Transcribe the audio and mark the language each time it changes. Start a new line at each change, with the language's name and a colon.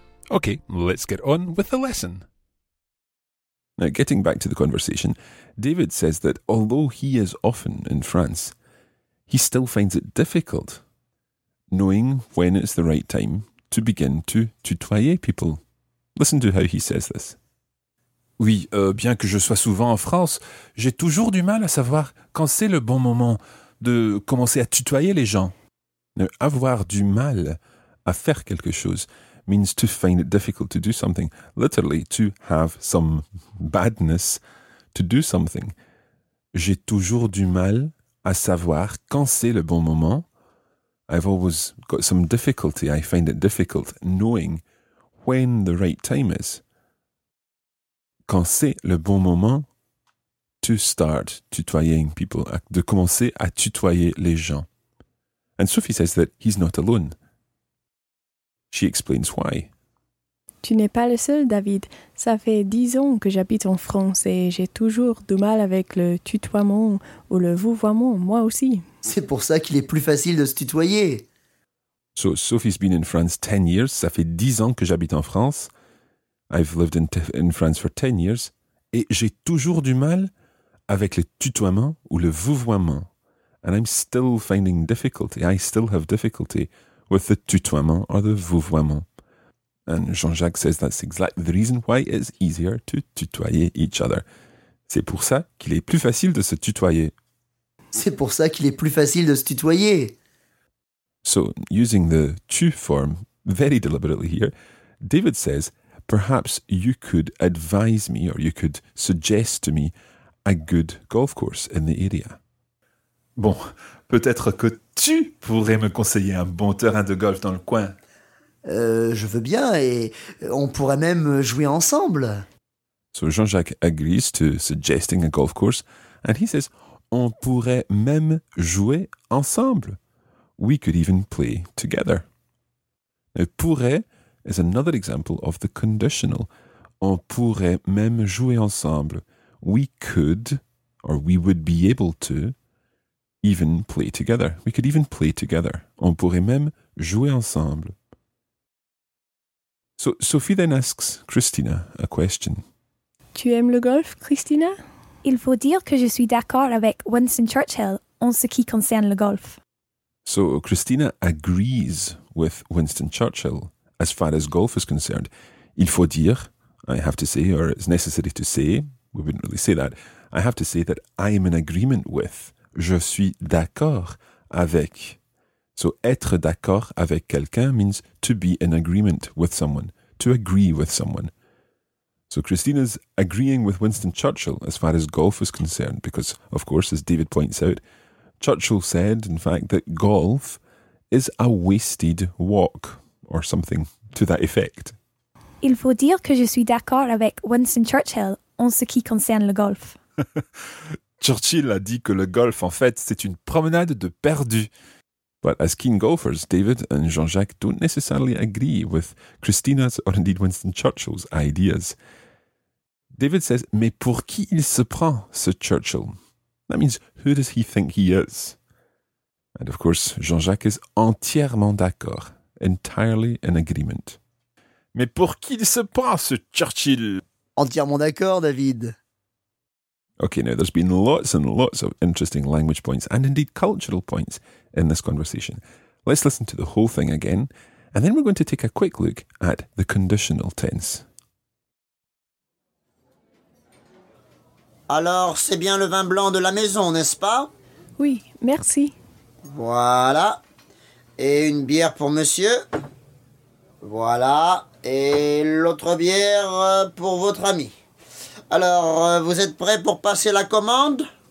English: Okay, let's get on with the lesson. Now, getting back to the conversation, David says that although he is often in France, he still finds it difficult knowing when it's the right time to begin to tutoyer people. Listen to how he says this.
French: Oui, bien que je sois souvent en France, j'ai toujours du mal à savoir quand c'est le bon moment de commencer à tutoyer les gens.
English: Now,
French: avoir du mal à faire quelque chose
English: means to find it difficult to do something, literally to have some badness to do something.
French: J'ai toujours du mal à savoir quand c'est le bon moment.
English: I've always got some difficulty, I find it difficult knowing when the right time is.
French: Quand c'est le bon moment
English: to start tutoying people,
French: de commencer à tutoyer les gens.
English: And Sophie says that he's not alone. She explains why.
French: Tu n'es pas le seul, David. Ça fait 10 ans que j'habite en France et j'ai toujours du mal avec le tutoiement ou le vouvoiement, moi aussi. C'est pour ça qu'il est plus facile de se tutoyer.
English: So, Sophie's been in France 10 years.
French: Ça fait 10 ans que j'habite en France.
English: I've lived in France for 10 years.
French: Et j'ai toujours du mal avec le tutoiement ou le vouvoiement.
English: And I'm still finding difficulty. I still have difficulty with the tutoiement or the vouvoiement. And Jean-Jacques says that's exactly the reason why it's easier to tutoyer each other.
French: C'est pour ça qu'il est plus facile de se tutoyer. C'est pour ça qu'il est plus facile de se tutoyer.
English: So, using the tu form very deliberately here, David says, perhaps you could advise me or you could suggest to me a good golf course in the area.
French: Bon, peut-être que tu pourrais me conseiller un bon terrain de golf dans le coin. Je veux bien et on pourrait même jouer ensemble.
English: So Jean-Jacques agrees to suggesting a golf course and he says,
French: on pourrait même jouer ensemble.
English: We could even play together. Now, pourrait is another example of the conditional.
French: On pourrait même jouer ensemble.
English: We could, or we would be able to, even play together. We could even play together.
French: On pourrait même jouer ensemble.
English: So Sophie then asks Christina a question.
French: Tu aimes le golf, Christina? Il faut dire que je suis d'accord avec Winston Churchill en ce qui concerne le golf.
English: So Christina agrees with Winston Churchill as far as golf is concerned.
French: Il faut dire,
English: I have to say, or it's necessary to say, we wouldn't really say that, I have to say that I am in agreement with,
French: je suis d'accord avec.
English: So,
French: être d'accord avec quelqu'un
English: means to be in agreement with someone, to agree with someone. So, Christina's agreeing with Winston Churchill as far as golf is concerned, because, of course, as David points out, Churchill said, in fact, that golf is a wasted walk, or something to that effect.
French: Il faut dire que je suis d'accord avec Winston Churchill en ce qui concerne le golf. Churchill a dit que le golf, en fait, c'est une promenade de perdu.
English: But as keen golfers, David and Jean-Jacques don't necessarily agree with Christina's or indeed Winston Churchill's ideas. David says,
French: mais pour qui il se prend, ce Churchill?
English: That means, who does he think he is? And of course, Jean-Jacques is
French: entièrement d'accord,
English: entirely in agreement.
French: Mais pour qui il se prend, ce Churchill? Entièrement d'accord, David.
English: Okay, now there's been lots and lots of interesting language points and indeed cultural points in this conversation. Let's listen to the whole thing again, and then we're going to take a quick look at the conditional tense.
French: Alors, c'est bien le vin blanc de la maison, n'est-ce pas? Oui, merci. Voilà. Et une bière pour monsieur? Voilà. Et l'autre bière pour votre ami. Alors, vous êtes prêts pour passer la commande?